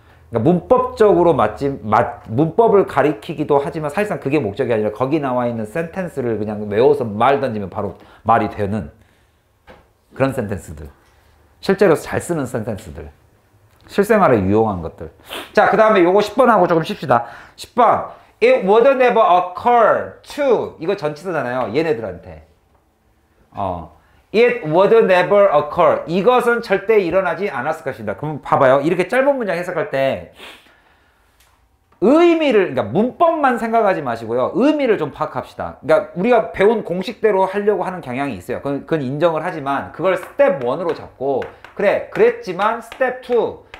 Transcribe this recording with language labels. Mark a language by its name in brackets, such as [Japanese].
[Korean] 그러니까 문법적으로 문법을 가리키기도 하지만 사실상 그게 목적이 아니라 거기 나와 있는 센텐스를 그냥 외워서 말 던지면 바로 말이 되는 그런 센텐스들. 실제로 잘 쓰는 센텐스들. 실생활에 유용한 것들. 자, 그 다음에 요거 10번 하고 조금 쉽시다. 10번. [English] It would never occur to. [Korean] 이거 전치사잖아요. 얘네들한테. [English] It would never occur. [Korean] 이것은 절대 일어나지 않았을 것이다. 그럼 봐봐요. 이렇게 짧은 문장 해석할 때 의미를, 그러니까 문법만 생각하지 마시고요. 의미를 좀 파악합시다. 그러니까 우리가 배운 공식대로 하려고 하는 경향이 있어요. 그건 인정을 하지만 그걸 스텝 1으로 잡고 그래, 그랬지만 스텝 2.